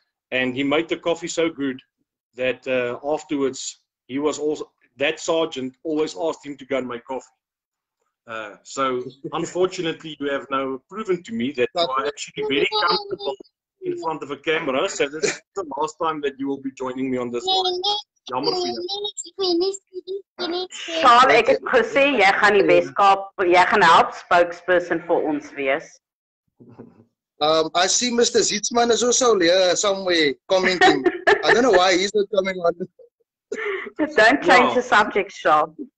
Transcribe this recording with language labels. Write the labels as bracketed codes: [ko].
[en] And he made the coffee so good that afterwards, he was also, that sergeant always asked him to go and make coffee. So unfortunately, you have now proven to me that you are actually very comfortable in front of a camera. So this is the last time that you will be joining me on this one. [af] Charles, ek het gesê, jy gaan die Weskaap, jy gaan help spokesperson vir ons wees. [en] I see Mr. Zietzman is also somewhere commenting. I don't know why he's not coming on. Don't change the subject, Charles.